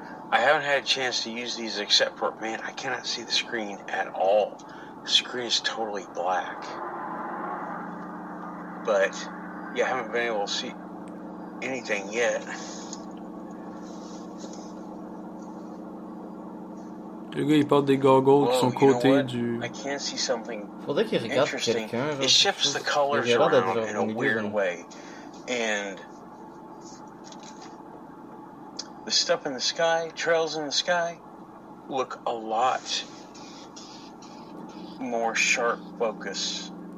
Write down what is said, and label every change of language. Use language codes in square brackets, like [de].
[en] I haven't had a chance to use these except for, man, I cannot see the screen at all. The screen is totally black. But, yeah, I haven't been able to see anything yet. [fr] Le gars, il porte des goggles qui sont côtés du... Faudrait qu'il regarde quelqu'un. [en] It shifts the colors around in a weird way. And the stuff in the sky, trails in the sky, look a lot more sharp focus.